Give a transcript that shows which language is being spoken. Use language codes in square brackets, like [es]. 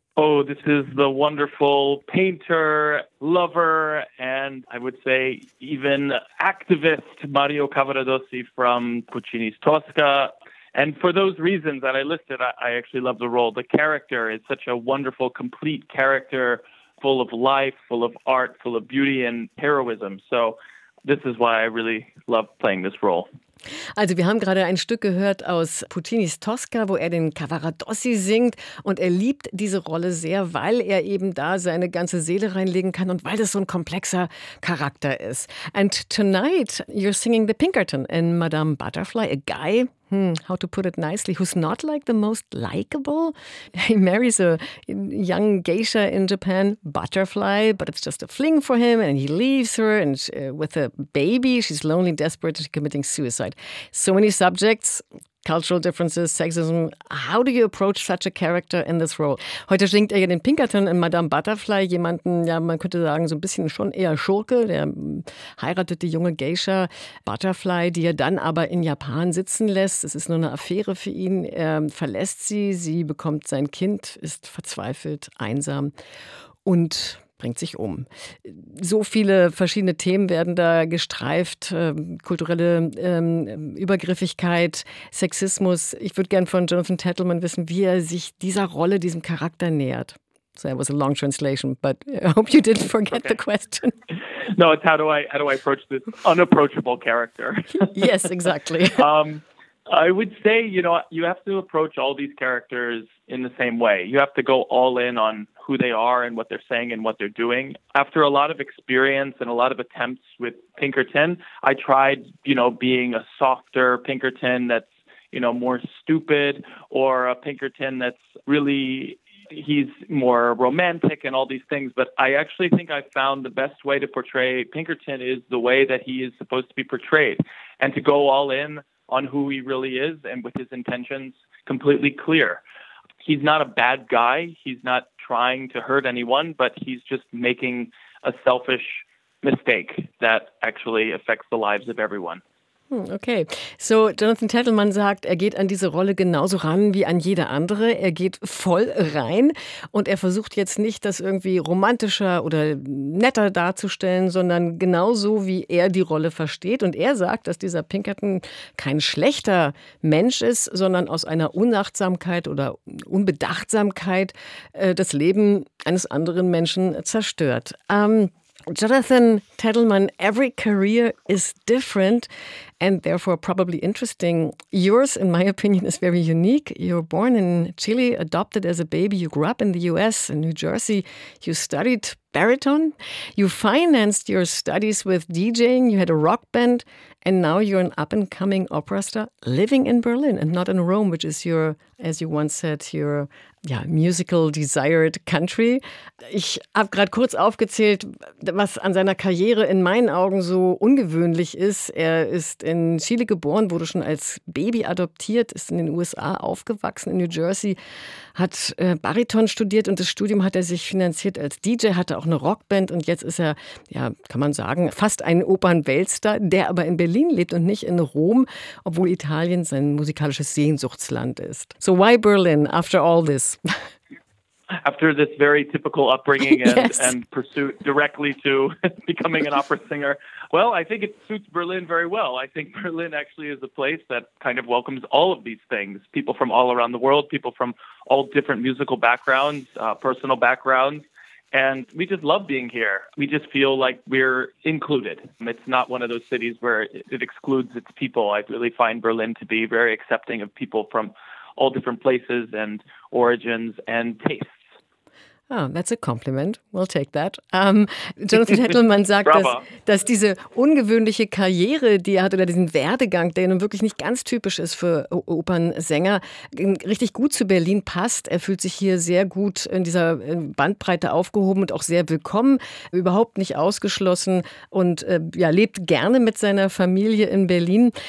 [en] Oh, this is the wonderful painter, lover, and I would say even activist Mario Cavaradossi from Puccini's Tosca. And for those reasons that I listed, I actually love the role. The character is such a wonderful, complete character, full of life, full of art, full of beauty and heroism. So this is why I really love playing this role. [de] Also wir haben gerade ein Stück gehört aus Puccinis Tosca, wo er den Cavaradossi singt, und er liebt diese Rolle sehr, weil er eben da seine ganze Seele reinlegen kann und weil das so ein komplexer Charakter ist. [en] And tonight you're singing the Pinkerton in Madame Butterfly, a guy, how to put it nicely, who's not like the most likable. He marries a young geisha in Japan, Butterfly, but it's just a fling for him, and he leaves her and with a baby. She's lonely, desperate, and committing suicide. So many subjects, cultural differences, sexism. How do you approach such a character in this role? [de] Heute schwingt er ja den Pinkerton in Madame Butterfly, jemanden, ja, man könnte sagen, so ein bisschen schon eher Schurke, der heiratet die junge Geisha Butterfly, die er dann aber in Japan sitzen lässt. Es ist nur eine Affäre für ihn. Er verlässt sie, sie bekommt sein Kind, ist verzweifelt, einsam und bringt sich um. So viele verschiedene Themen werden da gestreift. Kulturelle Übergriffigkeit, Sexismus. Ich würde gerne von Jonathan Tettelman wissen, wie er sich dieser Rolle, diesem Charakter nähert. [en] So that was a long translation, but I hope you didn't forget the question. No, it's how do I approach this unapproachable character? Yes, exactly. I would say, you know, you have to approach all these characters in the same way. You have to go all in on who they are and what they're saying and what they're doing. After a lot of experience and a lot of attempts with Pinkerton, I tried, you know, being a softer Pinkerton that's, you know, more stupid, or a Pinkerton that's really, he's more romantic and all these things. But I actually think I found the best way to portray Pinkerton is the way that he is supposed to be portrayed, and to go all in on who he really is and with his intentions completely clear. He's not a bad guy. He's not trying to hurt anyone, but he's just making a selfish mistake that actually affects the lives of everyone. [de] Okay, so Jonathan Tettelman sagt, er geht an diese Rolle genauso ran wie an jede andere. Er geht voll rein und er versucht jetzt nicht, das irgendwie romantischer oder netter darzustellen, sondern genauso, wie er die Rolle versteht. Und er sagt, dass dieser Pinkerton kein schlechter Mensch ist, sondern aus einer Unachtsamkeit oder Unbedachtsamkeit das Leben eines anderen Menschen zerstört. [en] Jonathan Tettelman, every career is different and therefore probably interesting. Yours, in my opinion, is very unique. You were born in Chile, adopted as a baby. You grew up in the US, in New Jersey. You studied baritone. You financed your studies with DJing. You had a rock band. And now you're an up-and-coming opera star living in Berlin and not in Rome, which is your, as you once said, your ja, musical desired country. [de] Ich habe gerade kurz aufgezählt, was an seiner Karriere in meinen Augen so ungewöhnlich ist. Er ist in Chile geboren, wurde schon als Baby adoptiert, ist in den USA aufgewachsen, in New Jersey, hat Bariton studiert und das Studium hat er sich finanziert als DJ, hatte auch eine Rockband und jetzt ist er, ja, kann man sagen, fast ein Opernweltstar, der aber in Berlin lebt und nicht in Rom, obwohl Italien sein musikalisches Sehnsuchtsland ist. [en] So why Berlin after all this? After this very typical upbringing and, yes, and pursuit directly to becoming an opera singer, well, I think it suits Berlin very well. I think Berlin actually is a place that kind of welcomes all of these things. People from all around the world, people from all different musical backgrounds, personal backgrounds. And we just love being here. We just feel like we're included. It's not one of those cities where it excludes its people. I really find Berlin to be very accepting of people from all different places and origins and tastes. Oh, that's a compliment. We'll take that. [de] Jonathan Tettelman sagt, dass diese ungewöhnliche Karriere, die er hat, oder diesen Werdegang, der nun wirklich nicht ganz typisch ist für Opernsänger, richtig gut zu Berlin passt. Er fühlt sich hier sehr gut in dieser Bandbreite aufgehoben und auch sehr willkommen, überhaupt nicht ausgeschlossen und ja, lebt gerne mit seiner Familie in Berlin.